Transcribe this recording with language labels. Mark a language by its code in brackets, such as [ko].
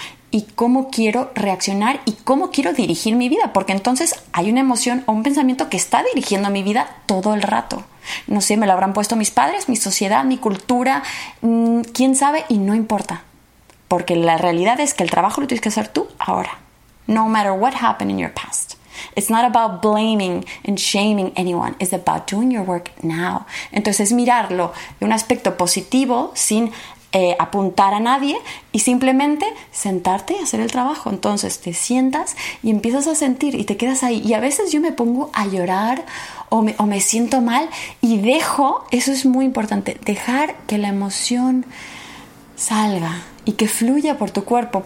[es] Y cómo quiero reaccionar y cómo quiero dirigir mi vida, porque entonces hay una emoción o un pensamiento que está dirigiendo mi vida todo el rato. No sé, me lo habrán puesto mis padres, mi sociedad, mi cultura, quién sabe, y no importa, porque la realidad es que el trabajo lo tienes que hacer tú ahora. [en] No matter what happened in your past, it's not about blaming and shaming anyone, it's about doing your work now. [es] Entonces mirarlo de un aspecto positivo, sin apuntar a nadie, y simplemente sentarte y hacer el trabajo. Entonces te sientas y empiezas a sentir y te quedas ahí, y a veces yo me pongo a llorar o me siento mal y dejo, eso es muy importante, dejar que la emoción salga y que fluya por tu cuerpo.